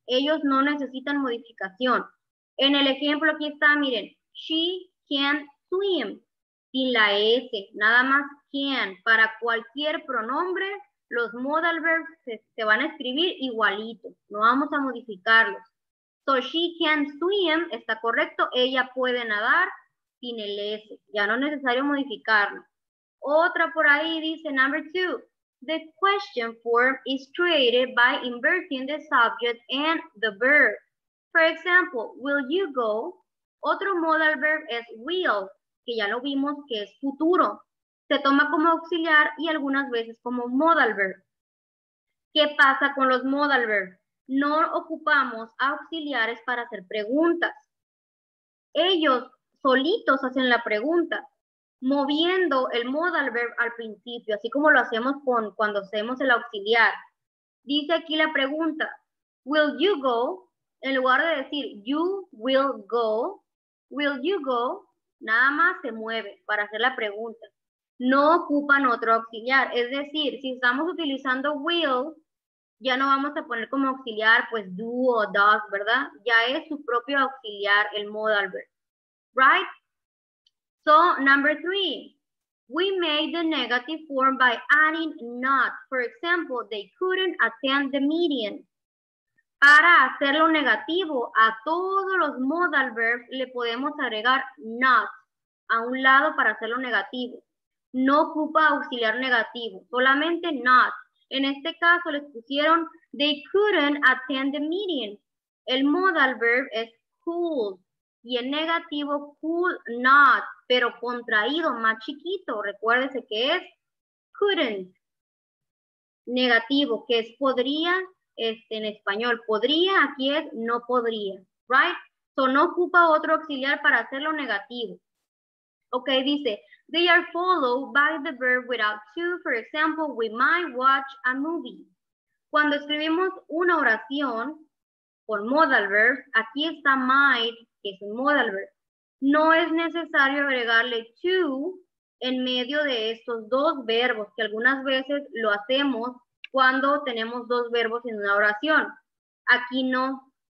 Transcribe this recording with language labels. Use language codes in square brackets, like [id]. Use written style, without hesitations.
[es] Ellos no necesitan modificación. En el ejemplo aquí está, miren, she can swim, sin la S, nada más can. Para cualquier pronombre, los modal verbs se van a escribir igualito, no vamos a modificarlos. So she can swim, está correcto, ella puede nadar sin el S, ya no es necesario modificarlo. [en] Otra por ahí dice, number two, the question form is created by inverting the subject and the verb. For example, will you go? [es] Otro modal verb es will, que ya lo vimos que es futuro. Se toma como auxiliar y algunas veces como modal verb. ¿Qué pasa con los modal verbs? No ocupamos auxiliares para hacer preguntas. Ellos solitos hacen la pregunta, moviendo el modal verb al principio, así como lo hacemos con cuando hacemos el auxiliar. Dice aquí la pregunta, will you go? En lugar de decir you will you go, nada más se mueve para hacer la pregunta. No ocupan otro auxiliar. Es decir, si estamos utilizando will, ya no vamos a poner como auxiliar pues do o does, ¿verdad? Ya es su propio auxiliar, el modal verb. [en] Right? So, number three. We made the negative form by adding not. [es] For example, they couldn't attend the meeting. Para hacerlo negativo, a todos los modal verbs le podemos agregar not a un lado para hacerlo negativo. No ocupa auxiliar negativo, solamente not. En este caso les pusieron, they couldn't attend the meeting. El modal verb es could, y en negativo could not, pero contraído, más chiquito. Recuérdese que es couldn't, negativo, que es podría. En español, podría, aquí es no podría, right? So no ocupa otro auxiliar para hacerlo negativo. [en] Ok, dice, they are followed by the verb without to, for example, we might watch a movie. [es] Cuando escribimos una oración con modal verb, aquí está might, que es un modal verb. No es necesario agregarle to en medio de estos dos verbos, que algunas veces lo hacemos cuando tenemos dos verbos en una oración. Aquí no.